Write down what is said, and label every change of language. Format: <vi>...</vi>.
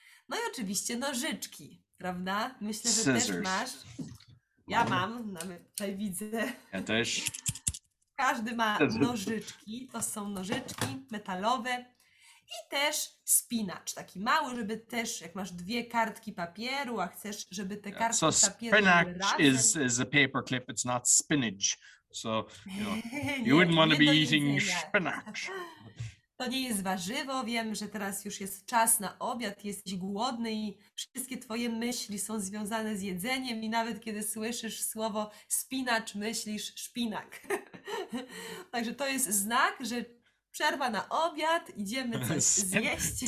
<pl>No i oczywiście nożyczki, prawda? Myślę, że scissors. Też masz. Ja mam, nawet tutaj widzę. Ja też. Każdy ma nożyczki, to są nożyczki metalowe. I też spinacz, taki mały, żeby też, jak masz dwie kartki papieru, a chcesz, żeby te kartki</pl> <en>so</en> <pl>papieru były razem.</pl> <en>So spinach is a paperclip, it's not spinach. So you wouldn't want to be eating spinach.</en> <pl>To nie jest warzywo, wiem, że teraz już jest czas na obiad, jesteś głodny i wszystkie twoje myśli są związane z jedzeniem i nawet kiedy słyszysz słowo spinacz, myślisz szpinak. Także to jest znak, że przerwa na obiad, idziemy coś zjeść.</pl>